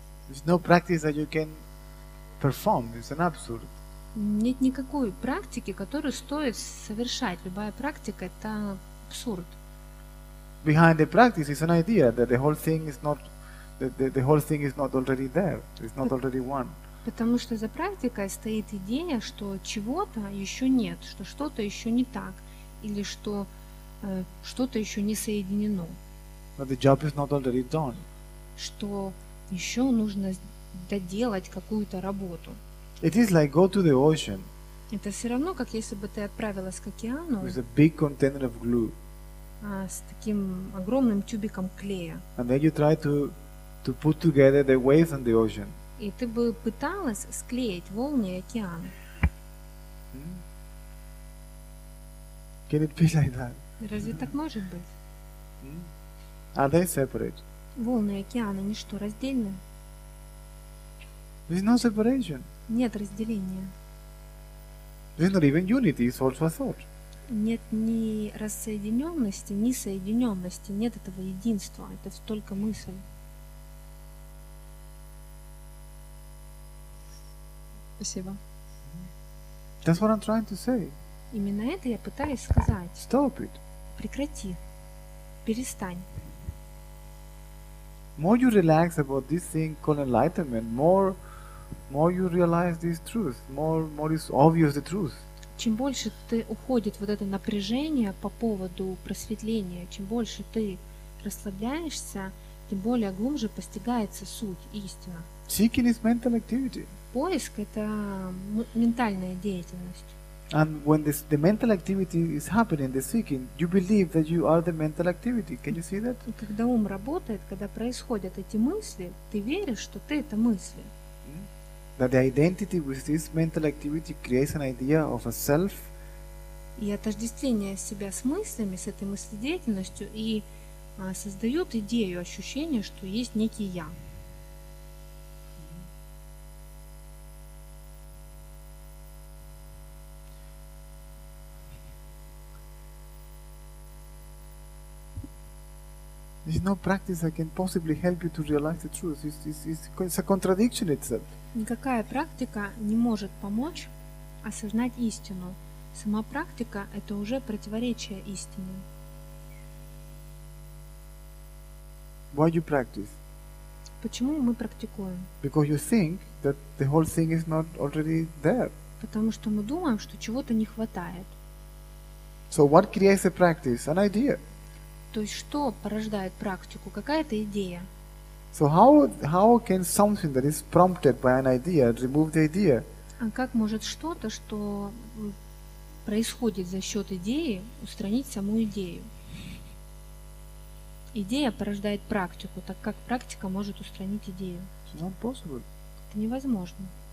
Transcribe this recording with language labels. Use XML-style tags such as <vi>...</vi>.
<en>There's no practice that you can perform. It's an absurd.</en> <ru>Нет никакой практики, которую стоит совершать. Любая практика – это абсурд.</ru> <en>Behind the practice is an idea that the whole thing is not the whole thing is not already there. It's not already one.</en> <ru>Потому что за практикой стоит идея, что чего-то еще нет, что что-то еще не так, или что что-то еще не соединено.</ru> <en>But the job is not already done.</en> <ru>Что еще нужно доделать какую-то работу.</ru> <en>It is like go to the ocean.</en> <ru>Это все равно, как если бы ты отправилась к океану.</ru> <en>With a big container of glue.</en> <ru>С таким огромным тюбиком клея.</ru> <en>And then you try to put together the waves and the ocean.</en> <ru>И ты бы пыталась склеить волны и океан.</ru> <en>Can it be like that?</en> <ru>Разве так может быть?</ru> <en>Are they separate?</en> <ru>Волны и океан, они что, раздельны?</ru> <en>There's no separation.</en> <ru>Нет разделения.</ru> <en>There's not even unity, it's also a thought.</en> <ru>Нет ни рассоединенности, ни соединенности, нет этого единства, это только мысль. Спасибо.</ru> <en>That's what I'm trying to say.</en> <ru>Именно это я пытаюсь сказать.</ru> <en>Stop it.</en> <ru>Прекрати. Перестань.</ru> <en>More you relax about this thing called enlightenment, more you realize this truth, more is obvious the truth.</en> <ru>Чем больше ты уходит вот это напряжение по поводу просветления, чем больше ты расслабляешься, тем более глубже постигается суть, истина.</ru> <en>Seeking is mental activity.</en> <ru>Поиск — это ментальная деятельность.</ru> <en>And when this, the mental activity is happening, the seeking, you believe that you are the mental activity. Can you see that?</en> <ru>Когда ум работает, когда происходят эти мысли, ты веришь, что ты — это мысли.</ru> <en>That the identity with this mental activity creates an idea of a self.</en> <ru>И отождествление себя с мыслями, с этой мыследеятельностью, и создает идею, ощущение, что есть некий я.</ru> <en>There's no practice that can possibly help you to realize the truth. It's a contradiction itself.</en> <ru>Никакая практика не может помочь осознать истину. Сама практика — это уже противоречие истине.</ru> <en>Why you practice?</en> <ru>Почему мы практикуем?</ru> <en>Because you think that the whole thing is not already there.</en> <ru>Потому что мы думаем, что чего-то не хватает.</ru> <en>So what creates a practice? An idea.</en> <ru>То есть что порождает практику? Какая-то идея.</ru> <en>So how can something that is prompted by an idea remove the idea?</en> <ru>А как может что-то, что происходит за счет идеи, устранить саму идею? Идея порождает практику, так как практика может устранить идею?</ru> <en>It's not possible.</en> <ru>Это невозможно.</ru>